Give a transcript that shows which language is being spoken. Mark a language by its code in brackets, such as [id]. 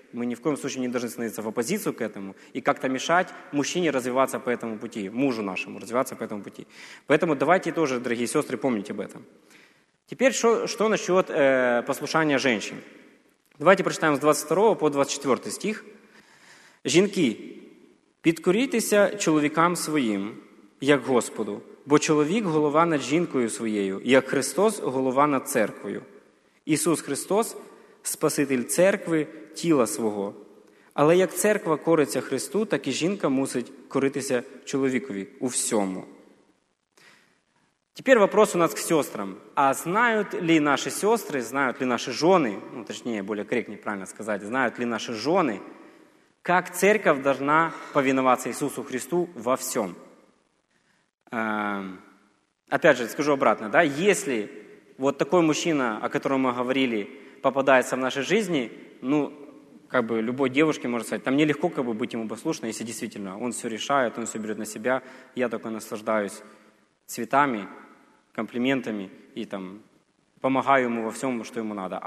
[ru] Мы ни в коем случае не должны становиться в оппозицию к этому и как-то мешать мужчине развиваться по этому пути, мужу нашему развиваться по этому пути. Поэтому давайте тоже, дорогие сестры, помнить об этом. Теперь что насчет послушания женщин. Давайте прочитаем с 22 по 24 стих. [uk] «Жінки, підкорійтеся чоловікам своїм, як Господу, бо чоловік – голова над жінкою своєю, як Христос – голова над церквою. Ісус Христос – Спаситель церкви, тіла свого. Але як церква кориться Христу, так і жінка мусить коритися чоловікові у всьому». [ru] Теперь вопрос у нас к сестрам. А знают ли наши сестры, знают ли наши жены, ну, точнее, более корректнее правильно сказать, знают ли наши жены, как церковь должна повиноваться Иисусу Христу во всем? Опять же, скажу обратно, да, если вот такой мужчина, о котором мы говорили, попадается в нашей жизни, ну, как бы любой девушке может сказать, там нелегко как бы быть ему послушной, если действительно он все решает, он все берет на себя, я только наслаждаюсь цветами, комплиментами и там помогаю ему во всем, что ему надо.